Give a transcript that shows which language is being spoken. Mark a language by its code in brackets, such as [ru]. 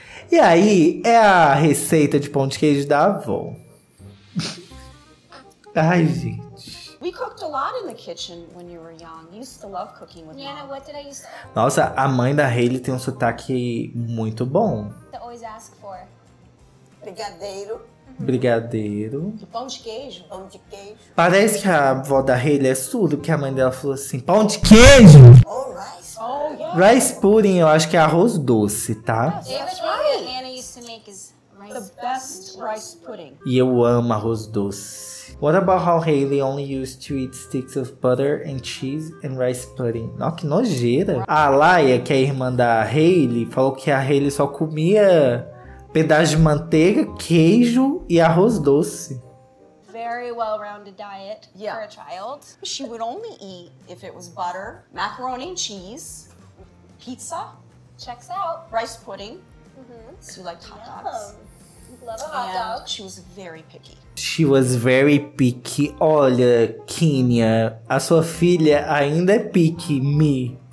[pt] E aí, é a receita de pão de queijo da avó. Ai, gente. [en] We cooked a lot in the kitchen when you were young. You used to love cooking with me. Nana, what did I used to... [pt] Nossa, a mãe da Hayley tem um sotaque muito bom. [en] To always ask for. [pt] Brigadeiro. Uhum. Brigadeiro. De pão de queijo. Pão de queijo. Parece que a avó da Hayley é surda, porque a mãe dela falou assim, pão de queijo! [en] Oh, rice pudding. Oh, yeah. [pt] Rice pudding, eu acho que é arroz doce, tá? [en] That's right. The thing that Nana used to make is rice, the best rice pudding. [pt] E eu amo arroz doce. [en] What about how Hayley only used to eat sticks of butter and cheese and rice pudding? [pt] Nossa, que nojeira. A Laia, que é a irmã da Hayley, falou que a Hayley só comia pedaço de manteiga, queijo e arroz doce. [en] Very well-rounded diet, yeah, for a child. She would only eat if it was butter, macaroni and cheese, pizza, checks out, rice pudding. Mm-hmm. So you like hot dogs. Love a hot dog. She was very picky. She was very picky. [pt] Olha, Kenya, a sua filha ainda é picky, me.